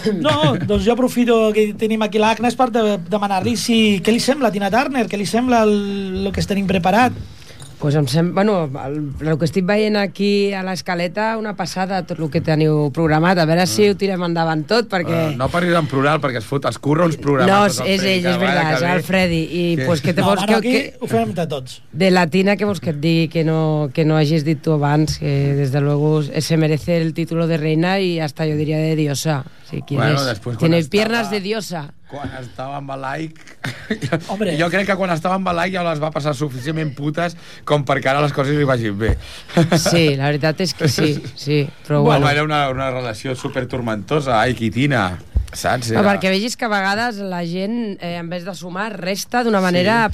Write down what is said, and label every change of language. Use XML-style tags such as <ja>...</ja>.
<ca>No, doncs jo aprofito que tenim aquí l'Agnes per demanar-li si, què li sembla a Tina Turner, què li sembla el que tenim preparat. Pues em sembla, bueno, el que estic veient aquí a l'escaleta, una passada, tot el que teniu programat, a veure si ho tirem endavant tot, perquè... No parlis en plural, perquè es curra uns programats. No, és ell, és veritat, és el Freddy. I, pues, que no, bueno, aquí ho fem de tots. De la Tina, que vols que et digui que no hagis dit tu abans, que,</ca> <es>des de luego, se merece el título de reina y hasta yo diría de diosa, si quieres. Bueno, tiene piernas de diosa.</es> <ca>Quan estava amb l'Ike... Jo crec que quan estava amb l'Ike ja les va passar suficientment putes com perquè ara les coses li vagin bé. Sí, la veritat és que sí. Però bueno. Era una relació supertormentosa, Ike i Tina, saps? Era... Perquè vegis que a vegades la gent,</ca> <es>en vez de sumar,</es> <ca>resta d'una manera... Sí.</ca>